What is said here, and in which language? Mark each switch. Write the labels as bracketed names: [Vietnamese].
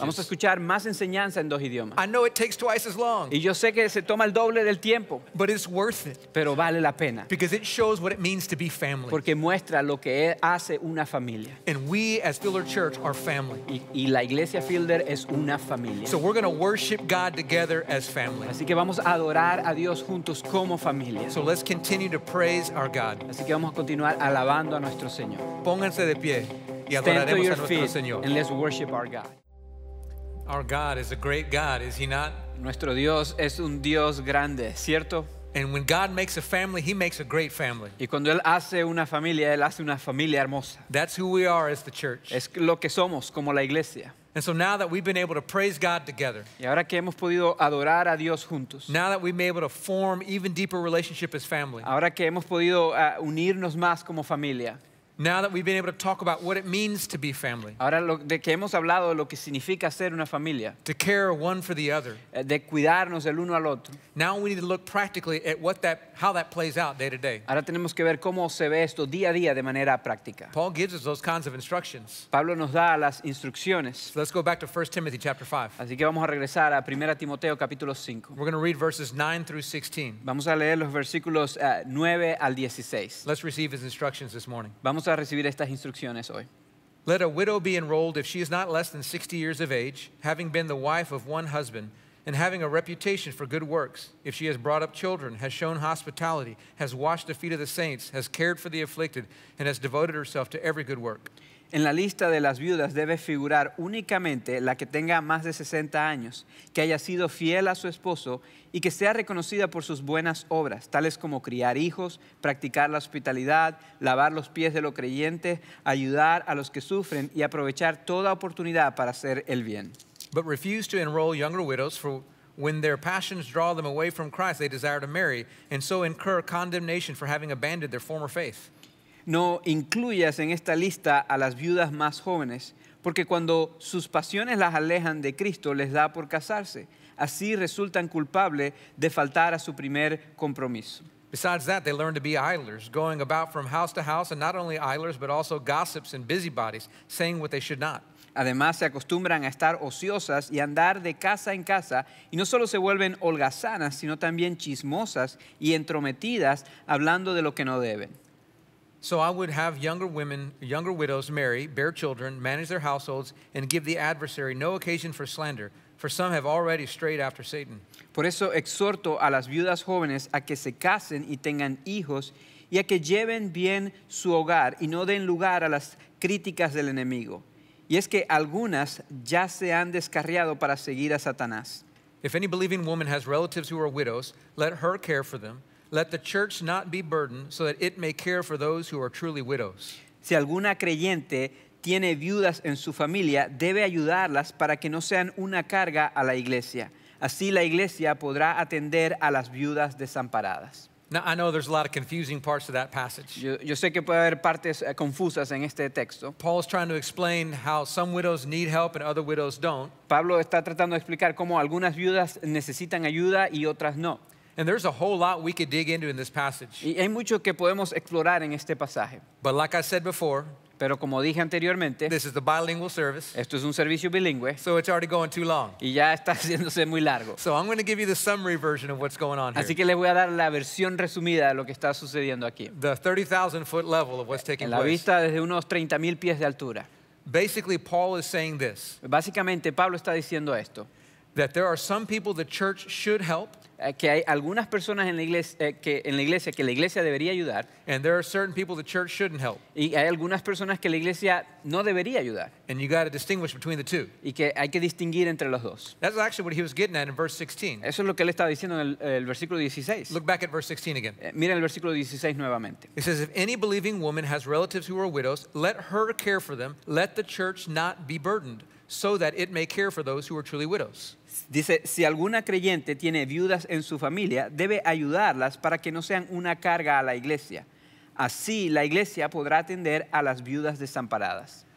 [Spanish] Vamos a escuchar más enseñanza en dos idiomas. [English] I know it takes twice as long. [Spanish] Y yo sé que se toma el doble del tiempo. [English] But it's worth it. [Spanish] Pero vale la pena. [English] Because it shows what it means to be family. [Spanish] Porque muestra lo que hace una familia. [English] And we as Fielder Church are family. [Spanish] Y la iglesia Fielder es una familia. [English] So we're going to worship God together as family. [Spanish] Así que vamos a adorar a Dios juntos como familia. [English] So let's continue to praise our God. [Spanish] Así que vamos a continuar alabando a nuestro Señor. Pónganse de pie y [English] stand [Spanish] adoraremos [English] to your [Spanish] a nuestro [English] feet [Spanish] Señor. [English] And let's worship our God. Our God is a great God, is he not? [Spanish] Nuestro Dios es un Dios grande, ¿cierto? [English] And when God makes a family, he makes a great family. [Spanish] Y cuando él hace una familia, él hace una familia hermosa. [English] That's who we are as the church. [Spanish] Es lo que somos como la iglesia. [English] And so now that we've been able to praise God together, [Spanish] y ahora que hemos podido adorar a Dios juntos, [English] now that we've been able to form even deeper relationship as family, [Spanish] ahora que hemos podido unirnos más como familia, [English] now that we've been able to talk about what it means to be family, [Spanish] ahora de que hemos hablado lo que significa ser una familia, [English] to care one for the other, [Spanish] de cuidarnos el uno al otro, [English] now we need to look practically at what that, how that plays out day to day. [Spanish] Ahora tenemos que ver cómo se ve esto día a día de manera práctica. [English] Paul gives us those kinds of instructions. [Spanish] Pablo nos da las instrucciones. [English] So let's go back to 1 Timothy chapter 5. [Spanish] Así que vamos a regresar a 1 Timoteo capítulo 5. [English] We're going to read verses 9 through 16. [Spanish] Vamos a leer los versículos 9 al 16. [English] Let's receive his instructions this morning. [Spanish] Vamos a recibir estas instrucciones hoy. [English] Let a widow be enrolled if she is not less than 60 years of age, having been the wife of one husband, and having a reputation for good works, if she has brought up children, has shown hospitality, has washed the feet of the saints, has cared for the afflicted, and has devoted herself to every good work. [Spanish] En la lista de las viudas debe figurar únicamente la que tenga más de 60 años, que haya sido fiel a su esposo y que sea reconocida por sus buenas obras, tales como criar hijos, practicar la hospitalidad, lavar los pies de los creyentes, ayudar a los que sufren y aprovechar toda oportunidad para hacer el bien. [English] But refuse to enroll younger widows, for when their passions draw them away from Christ, they desire to marry, and so incur condemnation for having abandoned their former faith. [Spanish] No incluyas en esta lista a las viudas más jóvenes, porque cuando sus pasiones las alejan de Cristo, les da por casarse. Así resultan culpables de faltar a su primer compromiso. [English] Besides that, they learn to be idlers, going about from house to house, and not only idlers, but also gossips and busybodies, saying what they should not. [Spanish] Además, se acostumbran a estar ociosas y andar de casa en casa, y no solo se vuelven holgazanas, sino también chismosas y entrometidas, hablando de lo que no deben. [English] So I would have younger women, younger widows marry, bear children, manage their households, and give the adversary no occasion for slander, for some have already strayed after Satan. [Spanish] Por eso exhorto a las viudas jóvenes a que se casen y tengan hijos, y a que lleven bien su hogar, y no den lugar a las críticas del enemigo. Y es que algunas ya se han descarriado para seguir a Satanás. [English] If any believing woman has relatives who are widows, let her care for them. Let the church not be burdened, so that it may care for those who are truly widows. [Spanish] Si alguna creyente tiene viudas en su familia, debe ayudarlas para que no sean una carga a la iglesia. Así la iglesia podrá atender a las viudas desamparadas. [English] Now, I know there's a lot of confusing parts of that passage. [Spanish] Yo sé que puede haber partes confusas en este texto. [English] Paul's trying to explain how some widows need help and other widows don't. [Spanish] Pablo está tratando de explicar cómo algunas viudas necesitan ayuda y otras no. [English] And there's a whole lot we could dig into in this passage. [Spanish] Y hay mucho que podemos explorar en este pasaje. [English] But like I said before, [Spanish] pero como dije anteriormente, [English] this is the bilingual service. [Spanish] Esto es un servicio bilingüe. [English] So it's already going too long. [Spanish] Y ya está haciéndose muy largo. [English] So I'm going to give you the summary version of what's going on here. [Spanish] Así que les voy a dar la versión resumida de lo que está sucediendo aquí. [English] The 30,000 foot level of what's taking place. [Spanish] La vista desde unos 30,000 pies de altura. [English] Basically, Paul is saying this. [Spanish] Básicamente, Pablo está diciendo esto. [English] That there are some people the church should help. [Spanish] que hay algunas personas en la iglesia que en la iglesia que la iglesia debería ayudar. [English] And there are certain people the church shouldn't help. [Spanish] Y hay algunas personas que la iglesia no debería ayudar. [English] And you got to distinguish between the two. [Spanish] Y que hay que distinguir entre los dos. [English] That's actually what he was getting at in verse 16. [Spanish] Eso es lo que él estaba diciendo en el versículo 16. [English] Look back at verse 16 again. [Spanish] Mira el versículo 16 nuevamente. [English] It says, if any believing woman has relatives who are widows, let her care for them. Let the church not be burdened, so that it may care for those who are truly widows. [Spanish] Dice, si alguna creyente tiene viudas en su familia, debe ayudarlas para que no sean una carga a la iglesia. Así, la iglesia podrá atender a las viudas desamparadas.